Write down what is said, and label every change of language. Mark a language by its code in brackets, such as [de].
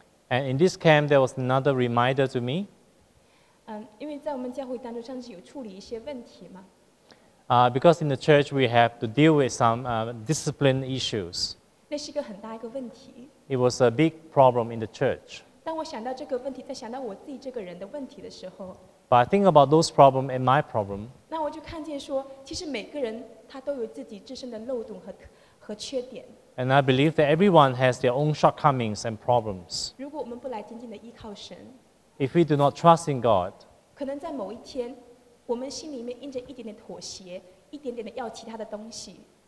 [en] And in this camp, there was another reminder to me. [zh] 因为在我们教会当中，上次有处理一些问题嘛。 [en] Because in the church we have to deal with some discipline issues. [zh] 那是一个很大一个问题。 [en] It was a big problem in the church. [zh] 当我想到这个问题，再想到我自己这个人的问题的时候。 [en] But I think about those problems and my problem. [zh] 那我就看见说，其实每个人他都有自己自身的漏洞和缺点。 [en] And I believe that everyone has their own shortcomings and problems. [zh] 如果我们不来紧紧的依靠神， [en] if we do not trust in God, [zh] 可能在某一天，我们心里面印着一点点妥协，一点点的要其他的东西。